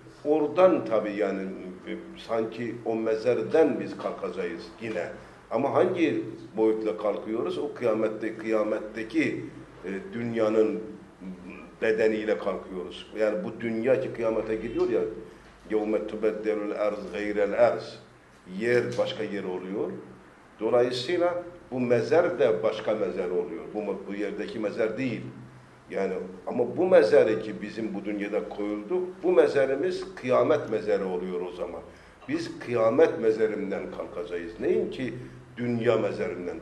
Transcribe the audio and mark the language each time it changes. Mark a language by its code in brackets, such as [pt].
[tr] Oradan tabii yani sanki o mezardan biz kalkacağız yine. Ama hangi boyutla kalkıyoruz? O kıyametteki dünyanın bedeniyle kalkıyoruz. Yani bu dünya ki kıyamete gidiyor ya. [ar] يَوْمَ تُبَدَّلُ الْاَرْضِ غَيْرَ الْاَرْضِ [tr] Yer başka yer oluyor. Dolayısıyla bu mezar da başka mezar oluyor. Bu yerdeki mezar değil. Yani ama bu mezar ki bizim bu dünyada koyulduk, bu mezarımız kıyamet mezarı oluyor o zaman. Biz kıyamet mezarından kalkacağız. Neyin ki dünya mezarından.